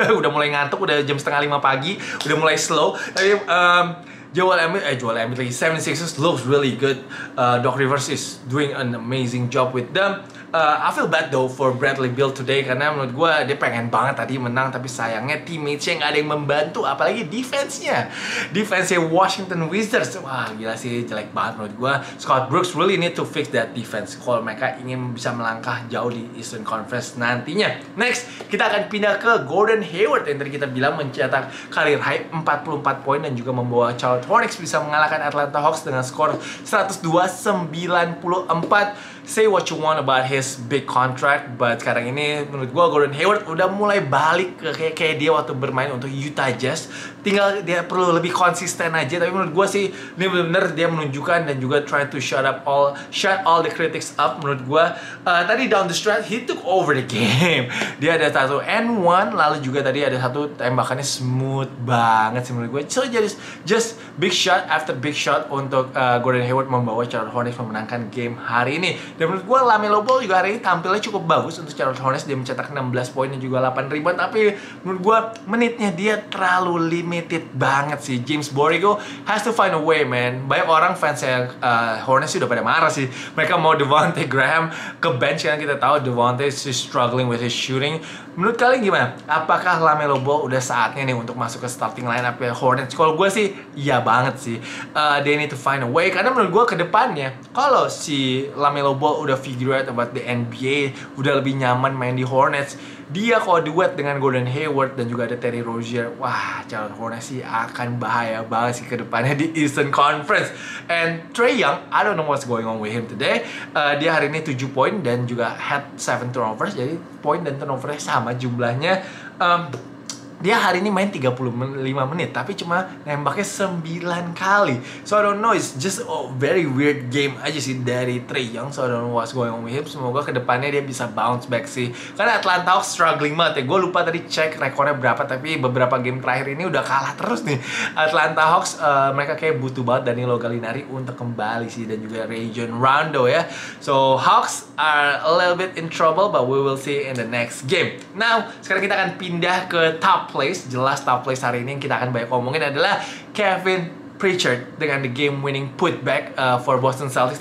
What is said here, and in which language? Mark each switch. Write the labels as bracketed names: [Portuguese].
[Indonesian] Udah mulai ngantuk, udah jam 4:30 pagi, udah mulai slow. Tapi [English] Joel Embiid 76ers looks really good. Doc Rivers is doing an amazing job with them. I feel bad though for Bradley Beal today, [Indonesian] karena menurut gue dia pengen banget tadi menang, tapi sayangnya teammates-nya gak ada yang membantu, apalagi defense-nya. Defense-nya Washington Wizards, wah gila sih, jelek banget menurut gue. Scott Brooks [English] really need to fix that defense [Indonesian] kalau mereka ingin bisa melangkah jauh di Eastern Conference nantinya. Next, kita akan pindah ke Gordon Hayward yang tadi kita bilang mencetak career high 44 poin dan juga membawa Charlotte Hornets bisa mengalahkan Atlanta Hawks dengan skor 102-94. [English] Say what you want about his big contract, but [Indonesian] sekarang ini menurut gue Gordon Hayward udah mulai balik ke kayak dia waktu bermain untuk Utah Jazz. Tinggal dia perlu lebih konsisten aja, tapi menurut gue sih ini benar-benar dia menunjukkan dan juga [English] try to shut all the critics up. [Indonesian] Menurut gue tadi [English] down the stretch he took over the game. [Indonesian] Dia ada satu N1, lalu juga tadi ada satu tembakannya smooth banget sih menurut gue. [English] So just big shot after big shot [Indonesian] untuk Gordon Hayward membawa Charlotte Hornets memenangkan game hari ini. Dan menurut gue LaMelo Ball juga hari ini tampilnya cukup bagus untuk Charlotte Hornets. Dia mencetak 16 poin dan juga 8 rebound, tapi menurut gue menitnya dia terlalu limited banget sih. [English] James Borrego has to find a way, man. [Indonesian] Banyak orang fans yang Hornets sudah pada marah sih. Mereka mau Devontae Graham ke bench, kan kita tahu [English] Devontae is struggling with his shooting. [Indonesian] Menurut kalian gimana? Apakah LaMelo Ball udah saatnya nih untuk masuk ke starting lineup Hornets? Kalau gue sih, iya banget sih. [English] They need to find a way. [Indonesian] Karena menurut gue kedepannya, kalau si LaMelo Ball udah [English] figure out about the NBA, [Indonesian] udah lebih nyaman main di Hornets, dia kalau duet dengan Gordon Hayward dan juga ada Terry Rozier, wah, calon Hornets sih akan bahaya banget sih kedepannya di Eastern Conference. [English] And Trae Young, I don't know what's going on with him today. [Indonesian] Dia hari ini 7 poin dan juga had 7 turnovers, jadi poin dan turnovernya sama jumlahnya. Dia hari ini main 35 menit, tapi cuma nembaknya 9 kali. [English] So I don't know, it's just a very weird game [Indonesian] aja sih dari [English] Trae Young. So I don't know what's going on with him. [Indonesian] Semoga kedepannya dia bisa [English] bounce back [Indonesian] sih. Karena Atlanta Hawks struggling banget ya. Gue lupa tadi cek rekornya berapa, tapi beberapa game terakhir ini udah kalah terus nih. Atlanta Hawks, mereka kayak butuh banget Danilo Gallinari untuk kembali sih. Dan juga Rajon Rondo ya. [English] So Hawks are a little bit in trouble, but we will see in the next game. [Indonesian] Now, sekarang kita akan pindah ke top place hari ini yang kita akan banyak omongin adalah Kevin Pritchard dengan [English] the game winning putback for Boston Celtics.